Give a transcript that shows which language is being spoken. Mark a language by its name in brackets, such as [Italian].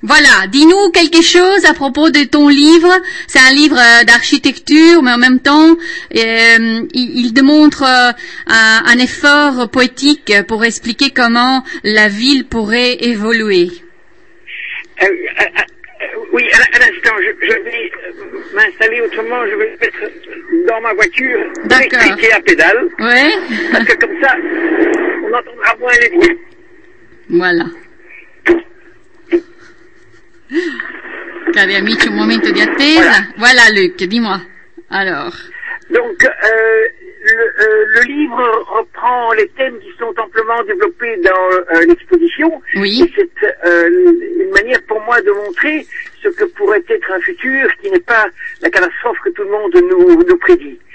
[French] Voilà, dis-nous quelque chose à propos de ton livre. C'est un livre d'architecture, mais en même temps, il démontre un effort poétique pour expliquer comment la ville pourrait évoluer. Oui, à l'instant, je vais m'installer autrement, je vais mettre dans ma voiture, d'accord, cliquer à pédale. Oui. Parce que comme ça, on entendra moins les bruits. Voilà. [Italian] Cari amici, un momento di attesa. [French] Voilà, voilà Luc, dis-moi. Alors. Donc, le livre reprend les thèmes qui sont amplement développés dans l'exposition. Oui. Et c'est une manière pour moi de montrer ce que pourrait être un futur qui n'est pas la catastrophe que tout le monde nous prédit.